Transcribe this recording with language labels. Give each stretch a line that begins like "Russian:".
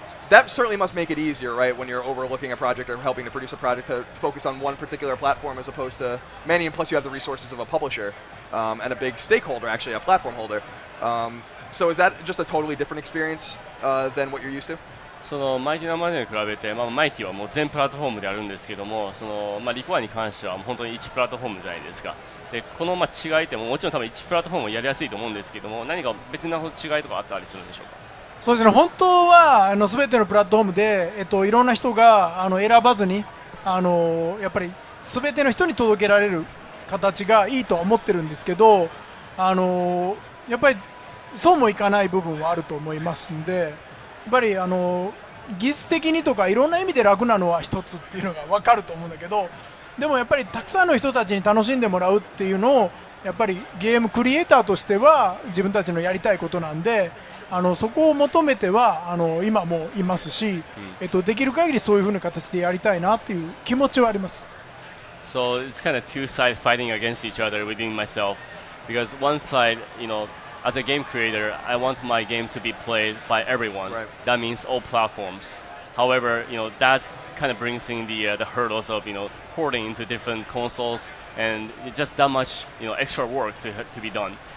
English: That certainly must make it easier, right, when you're overlooking a project or helping to produce a project to focus on one particular platform as opposed to many, and plus you have the resources of a publisher and a big stakeholder, actually, a platform holder. So is that just a totally different experience than what you're used to?
Japanese: そのマイティなマネに比べて、まあ、マイティはもう全プラットフォームであるんですけども、そのまあ、リコアに関しては本当に1プラットフォームじゃないですか。でこのまあ違いって もちろん多分1プラットフォームをやりやすいと思うんですけども、何か別な違いとかあったりするんでしょうか。そうですね、本当はあの全てのプラットフォームで、いろんな人があの選ばずに、あのやっぱり全ての人に届けられる形がいいと思ってるんですけど、あのやっぱりそうもいかない部分はあると思いますんで、やっぱりあの技術的にとかいろんな意味で楽なのは一つっていうのが分かると思うんだけど、でもやっぱりたくさんの人たちに楽しんでもらうっていうのをやっぱりゲームクリエイターとしては自分たちのやりたいことなんで、あのそこを求めてはあの今もいますし、できる限りそういうふうな形でやりたいなっていう気持ちはあります。
English: So it's kind of two sides fighting against each other within myself, because one side, you knowAs a game creator, I want my game to be played by everyone. Right. That means all platforms. However, you know, that kind of brings in the hurdles of, you know, porting into different consoles, and just that much, you know, extra work to be done.